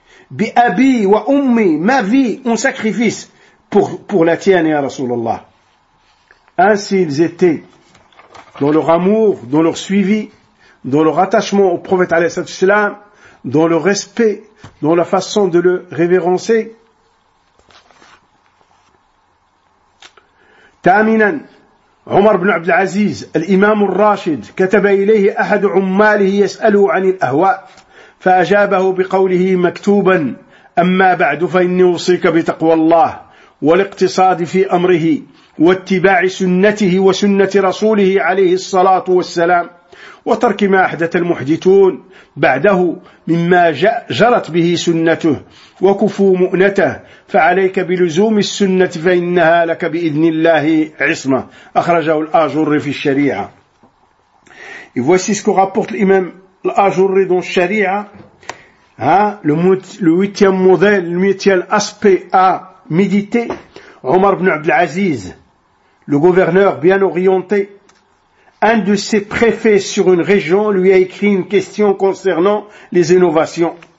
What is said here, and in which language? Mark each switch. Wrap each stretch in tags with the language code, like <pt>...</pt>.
<ar>Bi abi wa ummi,</ar> <fr>ma vie en sacrifice pour la tienne,</fr> <ar>ya Rasulallah.</ar> <fr>Ainsi ils étaient dans leur amour, dans leur suivi, dans leur attachement au prophète alayhi salatu salam, dans le respect, dans la façon de le révérencer.</fr> <ar>ثامنا عمر بن عبد العزيز الإمام الراشد كتب إليه أحد عماله يسأله عن الأهواء فأجابه بقوله مكتوبا أما بعد فإني أوصيك بتقوى الله والاقتصاد في أمره واتباع سنته وسنة رسوله عليه الصلاة والسلام وترك ما أحدث المحدثون بعده مما جرت به سنته وكفوا مؤنته فعليك بلزوم السنة فإنها لك بإذن الله عصمة أخرجه الأجري في الشريعة.</ar> <fr>Et voici ce que rapporte l'imam l'Ajurri dans Sharia, le huitième modèle, le huitième aspect à méditer. Omar ibn Abd al-Aziz, le gouverneur bien orienté, un de ses préfets sur une région lui a écrit une question concernant les innovations.</fr>